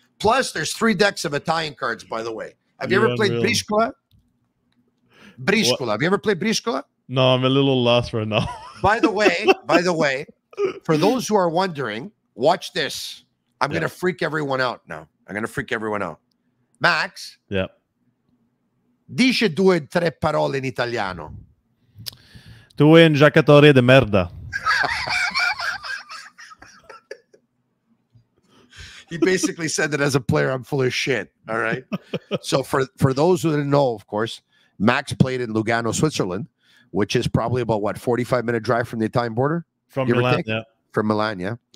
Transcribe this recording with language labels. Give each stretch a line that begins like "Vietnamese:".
English: Plus, there's three decks of Italian cards, by the way. Have you ever played Briscola? Briscola. Have you ever played Briscola? No, I'm a little lost right now. By the way, for those who are wondering, watch this. I'm going to freak everyone out now. I'm going to freak everyone out. Max? Yeah.
Italian: Dice due tre parole in italiano. Tu è un giocatore di merda.
English: He basically said that as a player, I'm full of shit. All right? So for those who didn't know, of course, Max played in Lugano, Switzerland, which is probably about, what, 45-minute drive from the Italian border? From Milan, yeah.